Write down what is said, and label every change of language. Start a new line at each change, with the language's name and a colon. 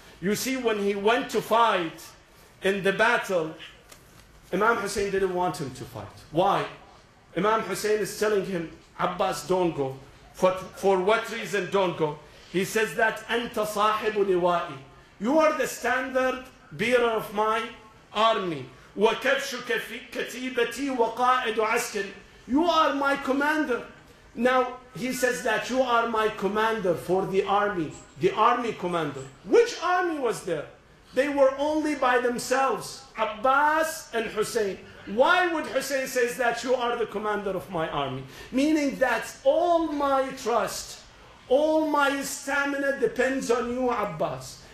English: You see, when he went to fight in the battle, Imam Hussein didn't want him to fight. Why? Imam Hussein is telling him, Abbas, don't go. For what reason don't go? He says that,
Arabic: أَنْتَ صَاحِبُ لِوَائِي
English: You are the standard bearer of my army.
Arabic: وَكَبْشُكَ فِي كَتِيبَتِي وَقَائِدُ عَسْكَرِ
English: You are my commander. Now, he says that you are my commander for the army commander. Which army was there? They were only by themselves, Abbas and Hussein. Why would Hussein say that you are the commander of my army? Meaning that all my trust, all my stamina depends on you, Abbas.